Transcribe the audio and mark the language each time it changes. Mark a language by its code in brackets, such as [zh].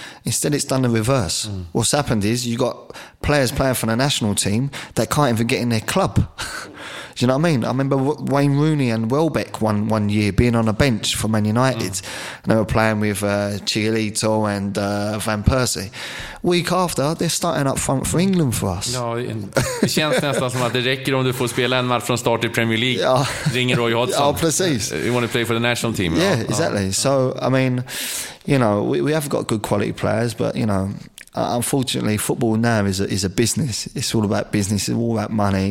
[en] Instead, it's done the reverse. What's happened is, you got players playing for the national team that can't even get in their club. Do you know what I mean? I remember Wayne Rooney and Welbeck one year being on a bench for Man United. And they were playing with Chiellito and Van Persie. Week after, they're starting up front for England for us. [sv] Det känns nästan som att det räcker om du får spela en match från start i Premier League. Ja. Ringer Roy Hodgson. Ja, precis. [en] You want to play for the national team. Yeah, exactly. So, I mean, you know, we have got good quality players, but, you know, unfortunately, football now is a business. It's all about business. It's all about money.